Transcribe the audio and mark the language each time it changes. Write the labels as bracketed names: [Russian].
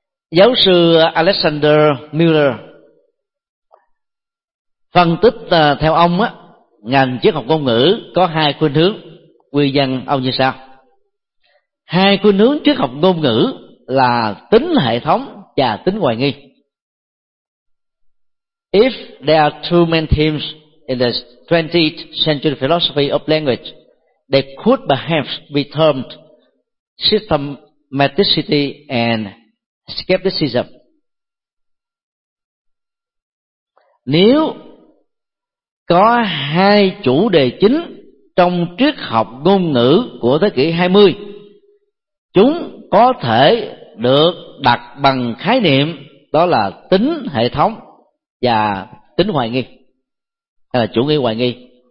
[Vietnamese] Giáo sư Alexander Miller phân tích theo ông á, ngành triết học ngôn ngữ có hai khuynh hướng quy dân ông như sau. Hai khuynh hướng triết học ngôn ngữ là tính hệ thống và tính hoài nghi. [English] If there are two main themes in the 20th century philosophy of language, they could perhaps be termed systematicity and skepticism. [Vietnamese] Nếu có hai chủ đề chính trong triết học ngôn ngữ của thế kỷ 20, chúng có thể được đặt bằng khái niệm đó là tính hệ thống và tính hoài nghi, hay là chủ nghĩa hoài nghi.